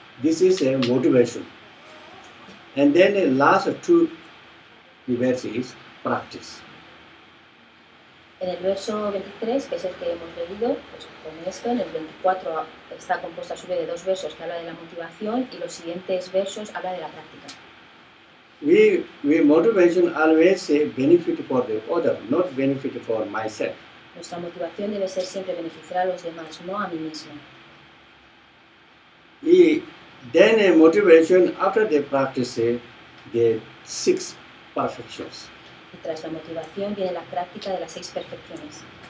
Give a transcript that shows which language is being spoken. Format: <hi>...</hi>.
<en>This is a motivation, and then the last two verses practice.</en> <es>En el verso 23, que es el que hemos leído, pues con esto, en el 24 está compuesto a su vez de dos versos que habla de la motivación y los siguientes versos habla de la práctica.</es> <en>We motivation always say benefit for the other, not benefit for myself.</en> <es>Nuestra motivación debe ser siempre beneficiar a los demás, no a mí mismo.</es> <en>Y then a motivation after the practice, the six perfections.</en> <es>Y tras la motivación viene la práctica de las seis perfecciones.</es>